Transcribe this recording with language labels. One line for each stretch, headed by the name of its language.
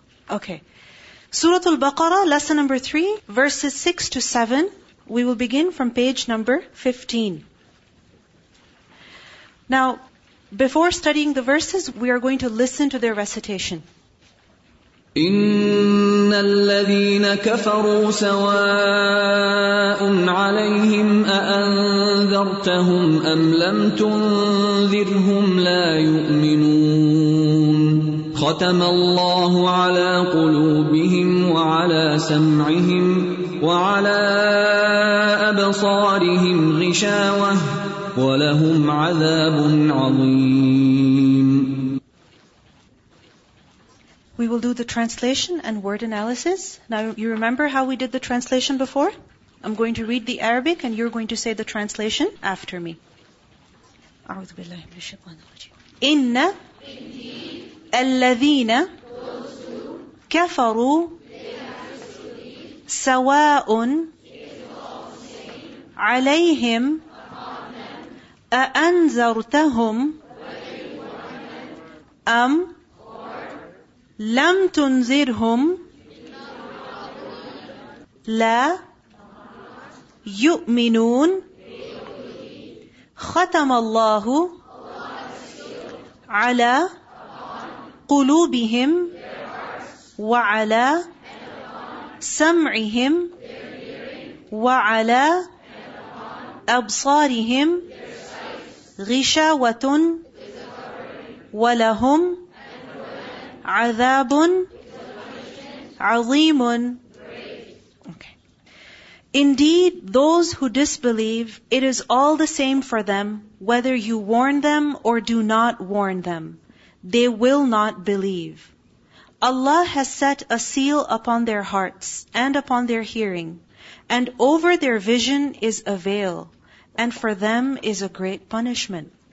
English: Okay. Surah Al-Baqarah, lesson number 3, verses 6 to 7. We will begin from page number 15. Now, before studying the verses, we are going to listen to their recitation.
Arabic: إن الذين كفروا سواء عليهم أأنذرتهم أم لم تنذرهم لا يؤمنون ختم الله على قلوبهم وعلى سمعهم وعلى أبصارهم غشاوة ولهم عذاب عظيم.
English: We will do the translation and word analysis. Now, you remember how we did the translation before? I'm going to read the Arabic and you're going to say the translation after me.
Arabic: أعوذ بالله من الشيطان الرجيم. إن الذين كفروا سواء عليهم أأنذرتهم أم لَمْ تُنْذِرْهُمْ لَا يُؤْمِنُونَ خَتَمَ اللَّهُ عَلَى قُلُوبِهِمْ وَعَلَى سَمْعِهِمْ وَعَلَى أَبْصَارِهِمْ غِشَاوَةٌ وَلَهُمْ عَذَابٌ عَظِيمٌ.
English: Okay. Indeed, those who disbelieve, it is all the same for them whether you warn them or do not warn them. They will not believe. Allah has set a seal upon their hearts and upon their hearing, and over their vision is a veil, and for them is a great punishment.